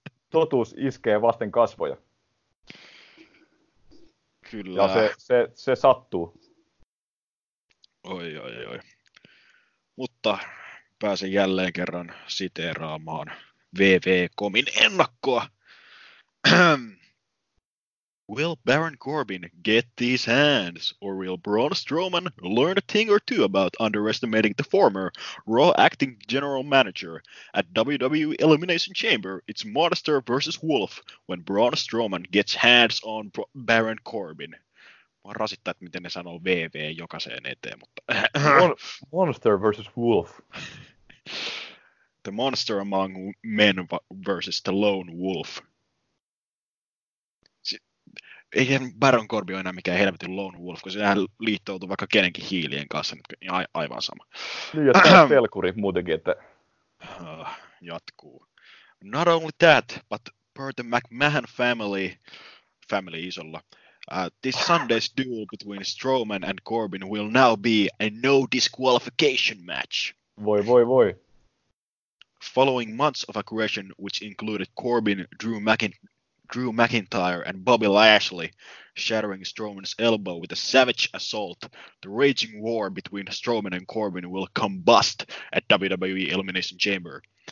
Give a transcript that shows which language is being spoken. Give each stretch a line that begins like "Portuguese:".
Finnish: Totuus iskee vasten kasvoja. Kyllä. Ja se sattuu. Oi, oi, oi. Mutta pääsen jälleen kerran siteeraamaan WWE.comin ennakkoa.
English: Will Baron Corbin get these hands, or will Braun Strowman learn a thing or two about underestimating the former Raw acting general manager at WWE Elimination Chamber? It's Monster versus Wolf when Braun Strowman gets hands on Baron Corbin.
Finnish: Mä oon rasittaa, että miten ne sanoo VV jokaiseen eteen, mutta
English: Monster versus Wolf. The Monster Among Men versus the Lone Wolf.
Finnish: Eihän Baron Corbin ole enää mikään helvetin Lone Wolf, kun sehän liittoutuu vaikka kenenkin hiilien kanssa, niin aivan sama. Niin, ja tämä pelkuri muutenkin, että jatkuu.
English: Not only that, but per the McMahon family isolla, this Sunday's duel between Strowman and Corbin will now be a no disqualification match.
Finnish: Voi, voi, voi.
English: Following months of aggression, which included Corbin, Drew McIntyre and Bobby Lashley shattering Strowman's elbow with a savage assault, the raging war between Strowman and Corbin will combust at WWE Elimination Chamber.